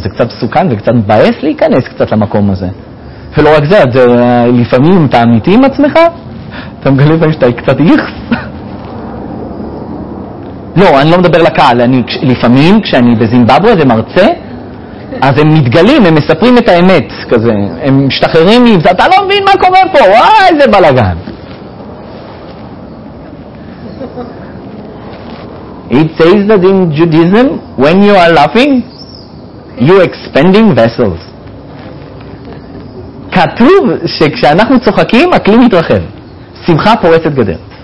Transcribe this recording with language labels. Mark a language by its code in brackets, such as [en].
[he] זה קצת סוכן וקצת מבאס להיכנס קצת למקום הזה. ולא רק זה, לפעמים אתה אמיתי עם עצמך, אתה מגלה פעמים שאתה קצת איכס. לא, אני לא מדבר לקהל, לפעמים כשאני בזימבבואה ומרצה, אז הם מתגלים, הם מספרים את האמת, כזה, הם משתחררים לי, אתה לא מבין מה קורה פה, וואי, איזה בלגן. [en] It says that in Judaism, when you are laughing, you expanding vessels. [he] כתוב שכשאנחנו צוחקים, הכלי מתרחב. שמחה פורצת גדר.